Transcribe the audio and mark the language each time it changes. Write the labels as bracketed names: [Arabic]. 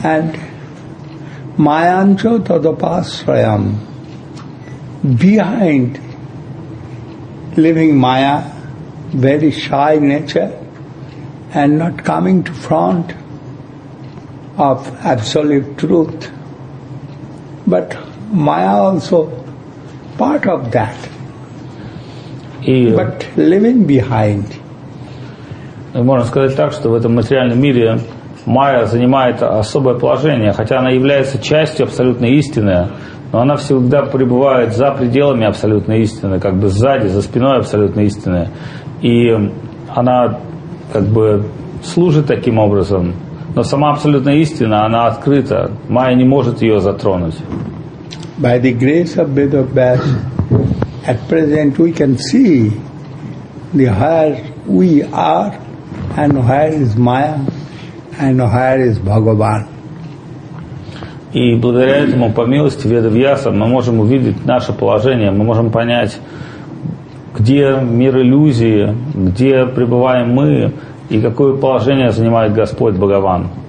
[English] And mayancho tadapasrayam, behind living maya, very shy nature, and not coming to front of absolute truth, but maya also part of that. But living behind. [Russian] Можно сказать так, что в этом материальном мире майя занимает особое положение, хотя она является частью абсолютной истины, но она всегда пребывает за пределами абсолютной истины, как бы сзади, за спиной абсолютной истины. И она как бы служит таким образом, но сама абсолютная истина, она открыта. Майя не может ее затронуть. [English] By the grace of Vedavyasa, At present we can see the higher we are and higher is Maya and higher is Bhagavan. [Russian] И благодаря этому, по милости Веда-Вьяса, мы можем увидеть наше положение, мы можем понять, где мир иллюзии, где пребываем мы и какое положение занимает Господь Бхагаван.